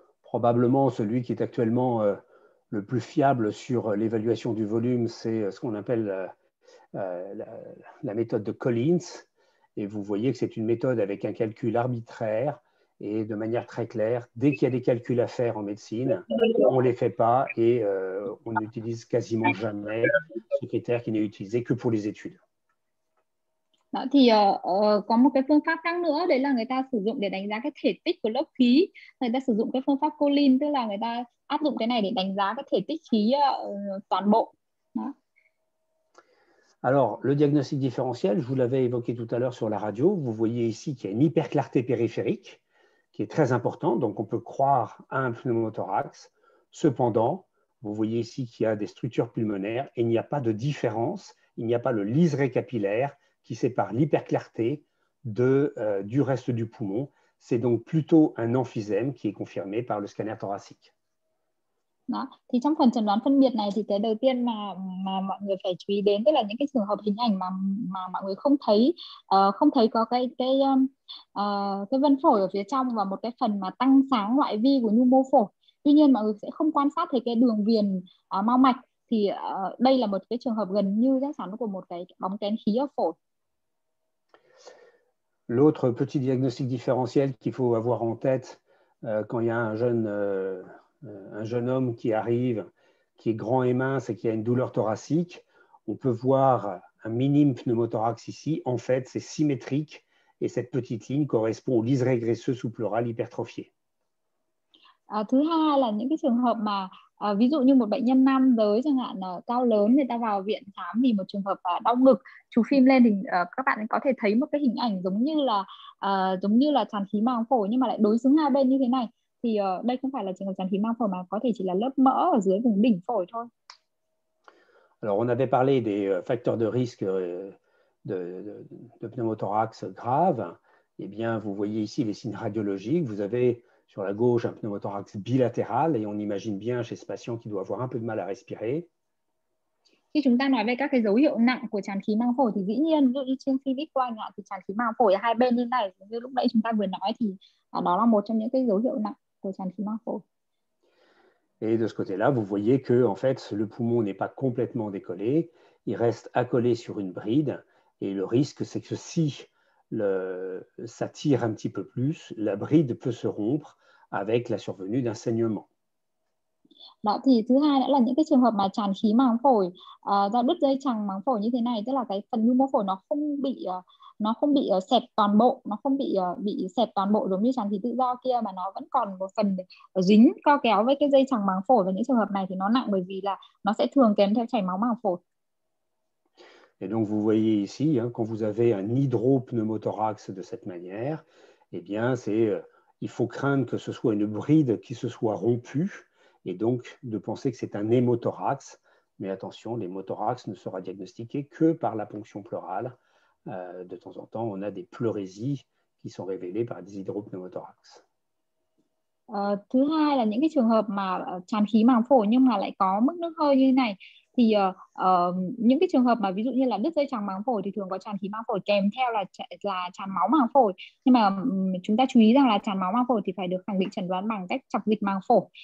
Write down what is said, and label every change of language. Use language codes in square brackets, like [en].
[fr] Probablement celui qui est actuellement le plus fiable sur l'évaluation du volume, c'est ce qu'on appelle la méthode de Collins. Et vous voyez que c'est une méthode avec un calcul arbitraire Et de manière très claire, dès qu'il y a des calculs à faire en médecine, on ne les fait pas et on n'utilise quasiment jamais ce critère qui n'est utilisé que pour les études. [vi] Đó, thì có một cái phương pháp khác nữa, đấy là người ta sử dụng để đánh giá cái thể tích của lớp khí. Người ta sử dụng cái phương pháp Colin, tức là người ta áp dụng cái này để đánh giá cái thể tích khí toàn bộ. Đó. [fr] Alors, le diagnostic différentiel, je vous l'avais évoqué tout à l'heure sur la radio, vous voyez ici qu'il y a une hyperclarté périphérique qui est très importante, donc on peut croire à un pneumothorax. Cependant, vous voyez ici qu'il y a des structures pulmonaires et il n'y a pas de différence, il n'y a pas le liseré capillaire qui sépare l'hyperclarté du reste du poumon. C'est donc plutôt un emphysème qui est confirmé par le scanner thoracique. [vi] Đó. Thì trong phần chẩn đoán phân biệt này thì cái đầu tiên mà mọi người phải chú ý đến tức là những cái trường hợp hình ảnh mà mọi người không thấy có cái vân phổi ở phía trong và một cái phần mà tăng sáng loại vi của nhu mô phổi. Tuy nhiên mọi người sẽ không quan sát thấy cái đường viền mao mạch thì đây là một cái trường hợp gần như chắc chắn của một cái bóng kén khí ở phổi. [fr] L'autre petit diagnostic différentiel qu'il faut avoir en tête quand il y a un jeune homme qui arrive, qui est grand et mince et qui a une douleur thoracique, on peut voir un minime pneumothorax ici. En fait, c'est symétrique et cette petite ligne correspond au liseré graisseux sous-pleural hypertrophié. [vi] Thứ hai là những cái trường hợp mà ví dụ như một bệnh nhân nam giới chẳng hạn cao lớn, người ta vào viện khám vì một trường hợp đau ngực, chụp phim lên thì các bạn có thể thấy một cái hình ảnh giống như là tràn khí màng phổi nhưng mà lại đối xứng hai bên như thế này. Thì đây không phải là trường hợp tràn khí màng phổi mà có thể chỉ là lớp mỡ ở dưới vùng đỉnh phổi thôi. [fr] Alors on avait parlé des facteurs de risque de pneumothorax grave. Eh bien, vous voyez ici les signes radiologiques. Vous avez sur la gauche un pneumothorax bilatéral et on imagine bien chez ce patient qui doit avoir un peu de mal à respirer. [vi] Khi chúng ta nói về các cái dấu hiệu nặng của tràn khí màng phổi thì dĩ nhiên như trên phim X-quang thì tràn khí màng phổi hai bên như này như lúc nãy chúng ta vừa nói thì đó là một trong những cái dấu hiệu nặng của tràn khí màng phổi. [fr] Et de ce côté-là, vous voyez que en fait le poumon n'est pas complètement décollé, il reste accolé sur une bride et le risque c'est que si ça tire un petit peu plus, la bride peut se rompre avec la survenue d'un saignement. [vi] Đó thì thứ hai nữa là những cái trường hợp mà tràn khí màng phổi do đứt dây chằng màng phổi như thế này, tức là cái phần nhu mô phổi nó không bị xẹp toàn bộ, nó không bị bị xẹp toàn bộ giống như tràn khí tự do kia mà nó vẫn còn một phần dính co kéo với cái dây chằng màng phổi và những trường hợp này thì nó nặng bởi vì là nó sẽ thường kèm theo chảy máu màng phổi. [fr] Et donc vous voyez ici hein, quand vous avez un hydropneumothorax de cette manière, eh bien c'est il faut craindre que ce soit une bride qui se soit rompue. Et donc, de penser que c'est un hémothorax. Mais attention, l'hémothorax ne sera diagnostiqué que par la ponction pleurale. De temps en temps, on a des pleurésies qui sont révélées par des hydropneumothorax. [vi] Thứ hai là những cái trường hợp mà tràn khí màng phổi nhưng mà lại có mức nước hơi như thế này. Thì những cái trường hợp mà ví dụ như là đứt dây chằng màng phổi thì thường có tràn khí màng phổi kèm theo là tràn máu màng phổi. Nhưng mà chúng ta chú ý rằng là tràn máu màng phổi thì phải được khẳng định chẩn đoán bằng cách chọc dịch màng phổi.